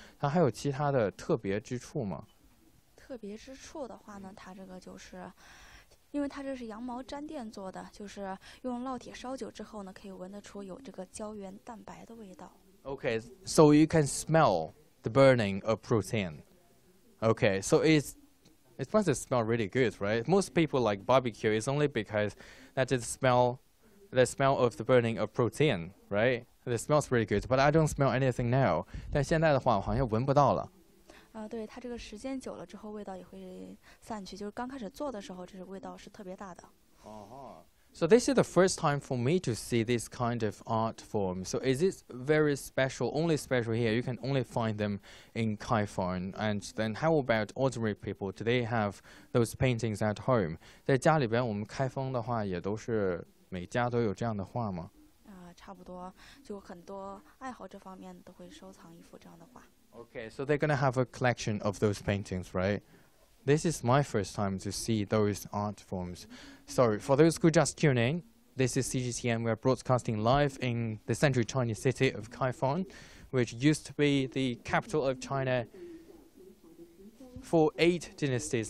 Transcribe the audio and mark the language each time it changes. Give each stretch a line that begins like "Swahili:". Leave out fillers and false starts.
Chinese: 它还有其他的特别之处吗？特别之处的话呢，它这个就是，因为它这是羊毛毡垫做的，就是用烙铁烧酒之后呢，可以闻得出有这个胶原蛋白的味道。
English: Okay, so you can smell the burning of protein. Okay, so it must smell really good, right? Most people like barbecue is only because that is the smell of the burning of protein, right? It smells really good, but I don't smell anything now.
Chinese: 但现在的话，我好像闻不到了。对，它这个时间久了之后，味道也会散去。就是刚开始做的时候，这是味道是特别大的。
English: So this is the first time for me to see this kind of art form. So is it very special, only special here? You can only find them in Kaifeng. And then how about ordinary people? Do they have those paintings at home?
Chinese: 在家里边，我们开封的话也都是每家都有这样的画吗？差不多，就很多爱好这方面都会收藏一幅这样的画。
English: Okay, so they're gonna have a collection of those paintings, right? This is my first time to see those art forms. So, for those who just tuned in, this is CGTN. We are broadcasting live in the central Chinese city of Kaifeng, which used to be the capital of China for 8 dynasties.